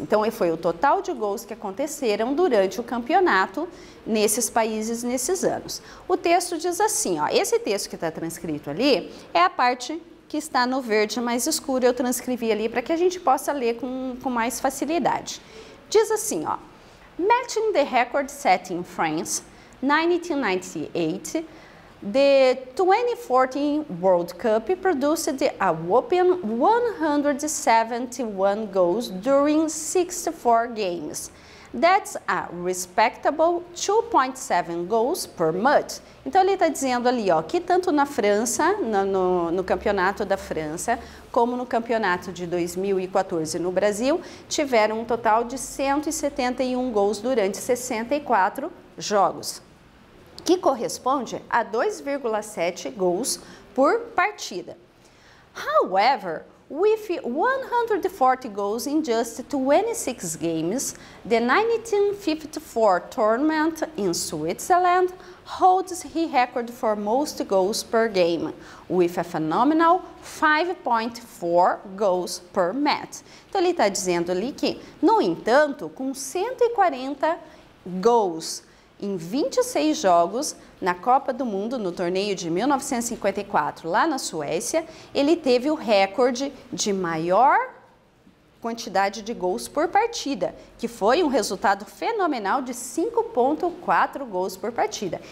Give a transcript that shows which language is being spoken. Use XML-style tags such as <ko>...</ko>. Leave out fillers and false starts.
<pt>Então, foi o total de gols que aconteceram durante o campeonato nesses países, nesses anos. O texto diz assim, ó, esse texto que está transcrito ali é a parte que está no verde mais escuro, eu transcrevi ali para que a gente possa ler com mais facilidade. Diz assim, ó,</pt> <en>matching the record set in France, 1998, the 2014 World Cup produced a whopping 171 goals during 64 games. That's a respectable 2.7 goals per match.</en> <pt>Então ele está dizendo ali, ó, que tanto na França, no campeonato da França, como no campeonato de 2014 no Brasil, tiveram um total de 171 gols durante 64 jogos, que corresponde a 2,7 gols por partida. However,</pt> <en>With 140 goals in just 26 games, the 1954 tournament in Switzerland holds his record for most goals per game, with a phenomenal 5.4 goals per match.</en> <pt>Então ele está dizendo ali que, no entanto, com 140 goals em 26 jogos na Copa do Mundo, no torneio de 1954, lá na Suécia, ele teve o recorde de maior quantidade de gols por partida, que foi um resultado fenomenal de 5.4 gols por partida.</pt>